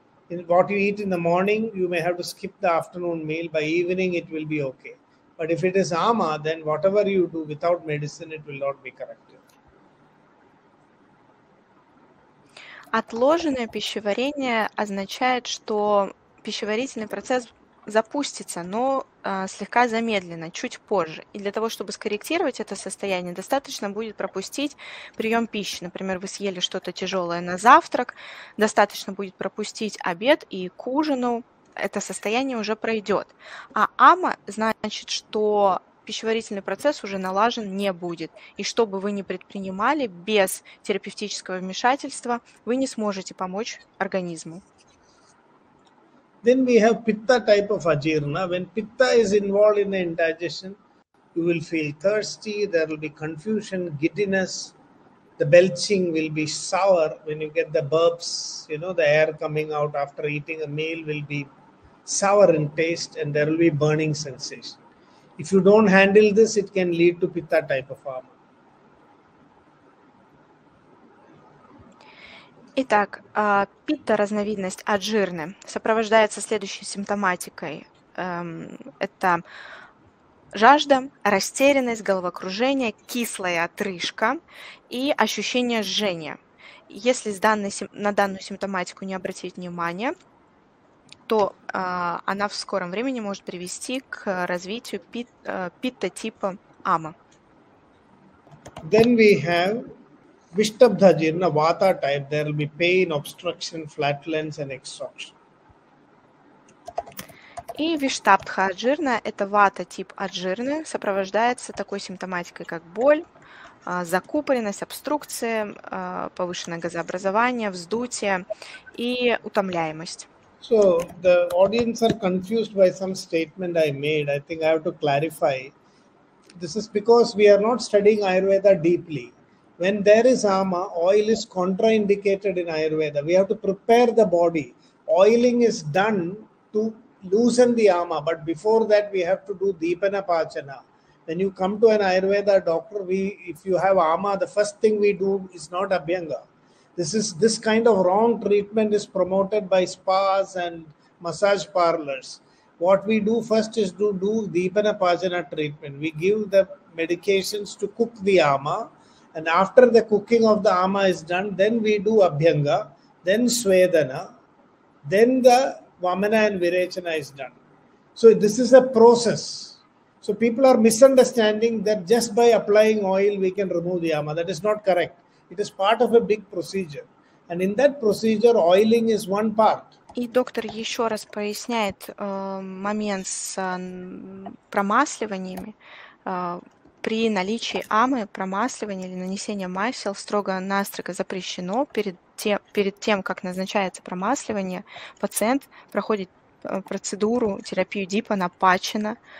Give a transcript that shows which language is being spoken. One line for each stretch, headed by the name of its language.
English: In what you eat in the morning, you may have to skip the afternoon meal. By evening, it will be okay. But if it is ama, then whatever you do without medicine, it will not be correct.
Russian: Отложенное пищеварение означает, что пищеварительный процесс запустится, но слегка замедленно, чуть позже. И для того, чтобы скорректировать это состояние, достаточно будет пропустить прием пищи. Например, вы съели что-то тяжелое на завтрак, достаточно будет пропустить обед и к ужину это состояние уже пройдет. А ама значит, что пищеварительный процесс уже налажен не будет. И что бы вы ни предпринимали, без терапевтического вмешательства вы не сможете помочь организму.
English: Then we have pitta type of ajirna. When pitta is involved in the indigestion, you will feel thirsty, there will be confusion, giddiness, the belching will be sour when you get the burps, you know, the air coming out after eating a meal will be sour in taste and there will be burning sensation. If you don't handle this, it can lead to pitta type of ama.
Russian: Итак, питта – разновидность аджирны. Сопровождается следующей симптоматикой. Это жажда, растерянность, головокружение, кислая отрыжка и ощущение жжения. Если на данную симптоматику не обратить внимание, то она в скором времени может привести к развитию питта типа ама.
English: Then we have vishtabdha jirna, vata type. There will be pain, obstruction, flatulence and exhaustion.
Russian: И виштабдха аджирна – это вата тип аджирны, сопровождается такой симптоматикой, как боль, закупоренность, обструкция, повышенное газообразование, вздутие и утомляемость.
English: So the audience are confused by some statement I made. I think I have to clarify. This is because we are not studying Ayurveda deeply. When there is ama, oil is contraindicated in Ayurveda. We have to prepare the body. Oiling is done to loosen the ama, but before that we have to do deepana pachana. When you come to an Ayurveda doctor, if you have ama, the first thing we do is not abhyanga. This kind of wrong treatment is promoted by spas and massage parlors. What we do first is do deepana pachana treatment. We give the medications to cook the ama, and after the cooking of the ama is done, then we do abhyanga, then swedana, then the vamana and virechana is done. So this is a process. So people are misunderstanding that just by applying oil we can remove the ama. That is not correct. It is part of a big procedure, and in that procedure oiling is one part.
Russian: И доктор еще раз поясняет момент с промасливаниями. При наличии амы промасливание или нанесение масел строго-настрого запрещено. Перед тем, как назначается промасливание, пациент проходит процедуру, терапию дипана пачена.